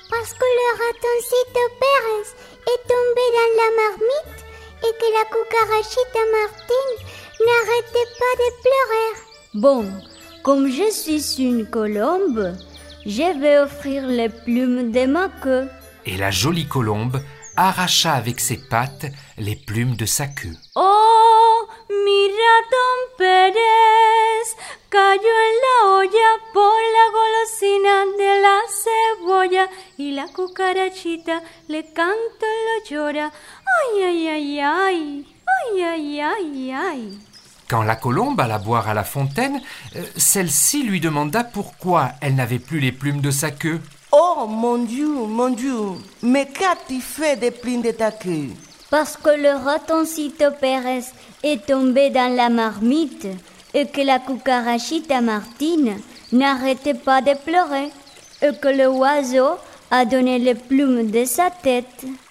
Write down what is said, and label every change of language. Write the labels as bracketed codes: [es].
[fr] Parce que le ratoncito Pérez est tombé dans la marmite et que la cucarachita Martine n'arrêtait pas de pleurer. Bon, comme je suis une colombe, je vais offrir les plumes de ma queue. Et la jolie colombe arracha avec ses pattes les plumes de sa queue. [es] Oh, mira Don Pérez, cayó en la olla por la golosina de la cebolla y la cucarachita le canta y lo llora. Ay, ay, ay, ay, ay, ay, ay, ay. [fr] Quand la colombe alla boire à la fontaine, celle-ci lui demanda pourquoi elle n'avait plus les plumes de sa queue. Oh mon Dieu, mais qu'as-tu fait des plumes de ta queue? Parce que le ratoncito Pérez est tombé dans la marmite et que la cucarachita Martine n'arrêtait pas de pleurer et que le oiseau a donné les plumes de sa tête.